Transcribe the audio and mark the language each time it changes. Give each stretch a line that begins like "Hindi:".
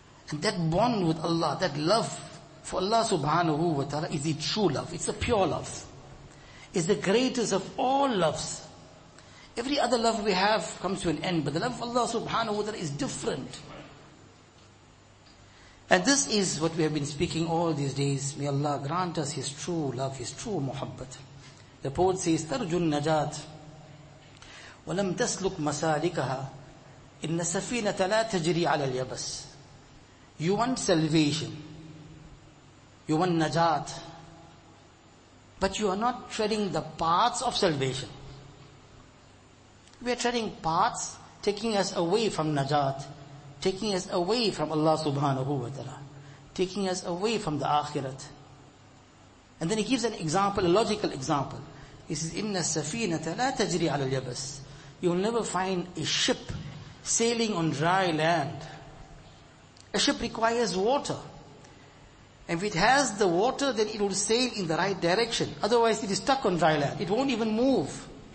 English: And that bond with Allah, that love for Allah subhanahu wa ta'ala is a true love. It's a pure love. It's the greatest of all loves. Every other love we have comes to an end, but the love of Allah subhanahu wa ta'ala is different. And this is what we have been speaking all these days. May Allah grant us His true love, His true muhabbat. The poet says,
Arabic: تَرْجُ النَّجَاتِ وَلَمْ تَسْلُكْ مَسَالِكَهَا إِنَّ سَفِينَةَ لَا تَجْرِي عَلَى الْيَبَسِ.
English: You want salvation. You want najat. But you are not treading the paths of salvation. We are treading paths, taking us away from najat, taking us away from Allah subhanahu wa ta'ala, taking us away from the akhirat. And then he gives an example, a logical example. He says,
Arabic: إِنَّ السَّفِينَةَ لَا تَجْرِي عَلَى الْيَبَسِ.
English: You will never find a ship sailing on dry land. A ship requires water. And if it has the water, then it will sail in the right direction. Otherwise, it is stuck on dry land. It won't even move.